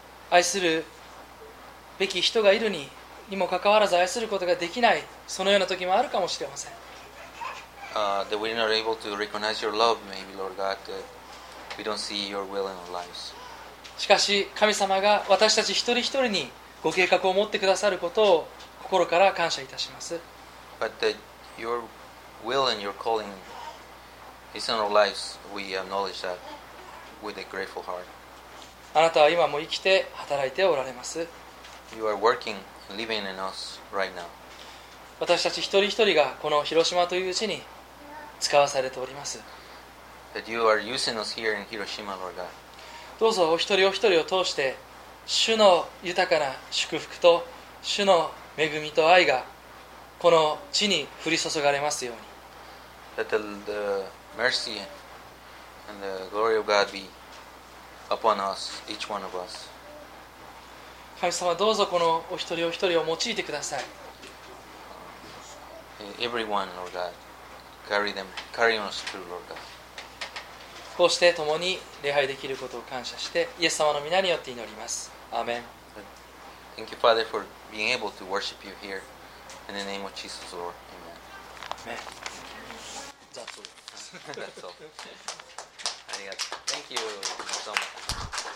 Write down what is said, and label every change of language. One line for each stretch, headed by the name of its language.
Japanese: 愛するべき人がいるにもかかわらず愛することができない、そのような時もあるかもしれません。
English: That we're not able to recognize your love, maybe, Lord God, that we don't see your will in our lives.
Japanese: しかし神様が私たち一人一人にご計画を持ってくださることを心から感謝いたします。
English: But that your will and your calling is in our lives, we acknowledge that with a grateful heart.
Japanese: あなたは今も生きて働いておられます。
English: You are working, living in us right now.
Japanese: 私たち一人一人がこの広島という地に使わされております。
English: That you are using us here in Hiroshima, Lord God.
Japanese: どうぞお一人お一人を通して、主の豊かな祝福と主の恵みと愛がこの地に降り注がれますように。
English: That the mercy and the glory of God be upon us, each one of us.
Japanese: 神様どうぞこのお一人お一人を用いてください。
English: Everyone, Lord God, carry them, carry us through, Lord God.
Japanese: こうして共に礼拝できることを感謝して、イエス様の御名によって祈ります。アーメン。
English: Thank you, Father, for being able to worship you here. In the name of Jesus, Lord. Amen. Amen. That's all. That's all. Thank you so much.